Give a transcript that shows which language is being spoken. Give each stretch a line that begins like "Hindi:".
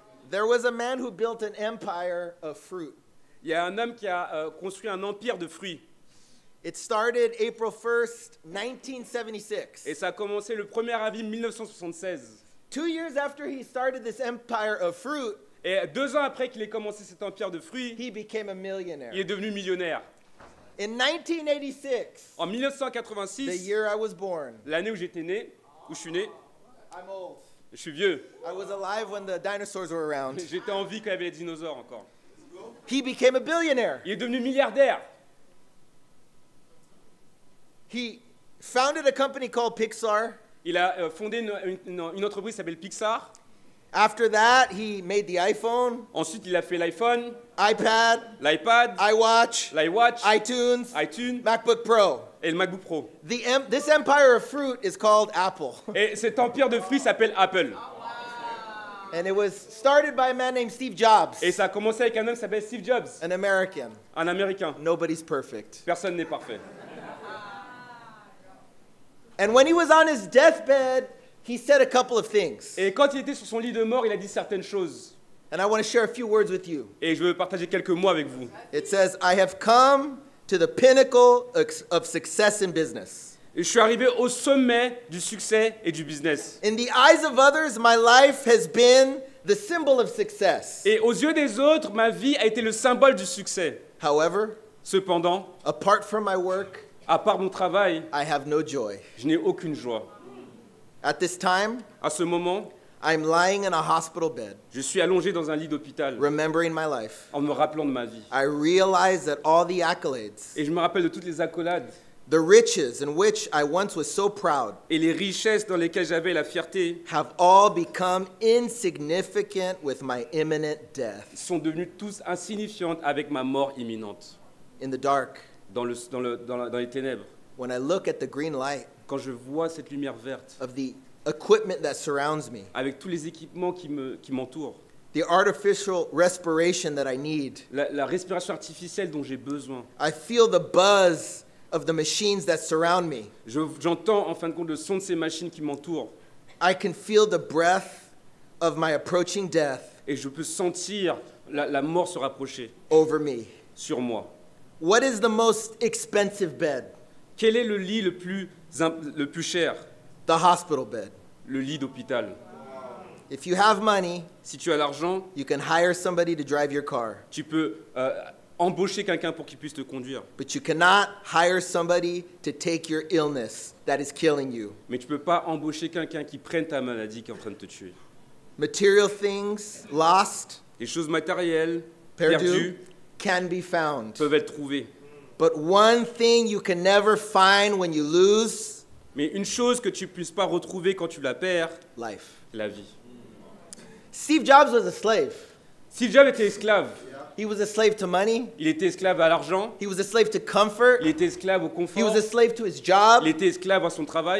English: There was a man who built an empire of fruit.
French: Il y a un homme qui a construit un empire de fruits.
English: It started April 1st, 1976.
French: Et ça a commencé le 1er avril 1976.
English: 2 years after he started this empire of fruit,
French: et 2 ans après qu'il ait commencé cet empire de fruits,
English: he became a millionaire.
French: Il est devenu millionnaire.
English: In 1986,
French: en 1986,
English: the year I was born,
French: l'année où j'étais né, où je suis né,
English: I'm old.
French: Je suis vieux.
English: I was alive when the dinosaurs were around.
French: J'étais en vie quand il y avait les dinosaures encore.
English: He became a billionaire.
French: Il est devenu milliardaire.
English: He founded a company called Pixar.
French: Il a fondé une entreprise qui s'appelle Pixar.
English: After that, he made the iPhone.
French: Ensuite, il a fait l'iPhone.
English: iPad.
French: L'iPad.
English: iWatch.
French: L'iWatch.
English: iTunes.
French: iTunes.
English: MacBook Pro.
French: Et le MacBook Pro.
English: This empire of fruit is called Apple.
French: Et cet empire de fruits s'appelle Apple.
English: And it was started by a man named Steve Jobs.
French: Et ça a commencé avec un homme qui s'appelle Steve Jobs.
English: An American.
French: Un Américain.
English: Nobody's perfect.
French: Personne n'est parfait.
English: And when he was on his deathbed, he said a couple of things.
French: Et quand il était sur son lit de mort, il a dit certaines choses.
English: And I want to share a few words with you.
French: Et je veux partager quelques mots avec vous.
English: It says, I have come to the pinnacle of success in business.
French: Et je suis arrivé au sommet du succès et du business.
English: In the eyes of others, my life has been the symbol of success.
French: Et aux yeux des autres, ma vie a été le symbole du succès.
English: However,
French: cependant,
English: apart from my work,
French: à part mon travail,
English: I have no joy.
French: Je n'ai aucune joie.
English: At this time,
French: à ce moment,
English: I'm lying in a hospital bed.
French: Je suis allongé dans un lit d'hôpital.
English: Remembering my life.
French: En me rappelant de ma vie.
English: I realize that all the accolades.
French: Et je me rappelle de toutes les accolades.
English: The riches in which I once was so proud.
French: Et les richesses dans lesquelles j'avais la fierté.
English: Have all become insignificant with my imminent death.
French: Sont devenus tous insignifiants avec ma mort imminente.
English: In the dark.
French: Dans les ténèbres.
English: When I look at the green light,
French: quand je vois cette lumière verte,
English: of the equipment that surrounds me,
French: avec tous les équipements qui m'entourent,
English: the artificial respiration that I need,
French: la respiration artificielle dont j'ai besoin,
English: I feel the buzz of the machines that surround me.
French: J'entends en fin de compte le son de ces machines qui m'entourent.
English: I can feel the breath of my approaching death.
French: Et je peux sentir la mort se rapprocher.
English: Over me.
French: Sur moi.
English: What is the most expensive bed?
French: Quel est le lit le plus cher?
English: The hospital bed.
French: Le lit d'hôpital.
English: If you have money,
French: si tu as l'argent,
English: you can hire somebody to drive your car.
French: Tu peux embaucher quelqu'un pour qu'il puisse te conduire.
English: But you cannot hire somebody to take your illness that is killing you.
French: Mais tu peux pas embaucher quelqu'un qui prenne ta maladie qui est en train de te tuer.
English: Material things lost.
French: Les choses matérielles perdues.
English: Can be found.
French: Peuvent être trouvées.
English: But one thing you can never find when you lose.
French: Mais une chose que tu puisses pas retrouver quand tu la perds.
English: Life.
French: La vie.
English: Steve Jobs was a slave.
French: Steve Jobs était esclave.
English: He was a slave to money.
French: Il était esclave à l'argent.
English: He was a slave to comfort.
French: Il était esclave au confort.
English: He was a slave to his job.
French: Il était esclave à son travail.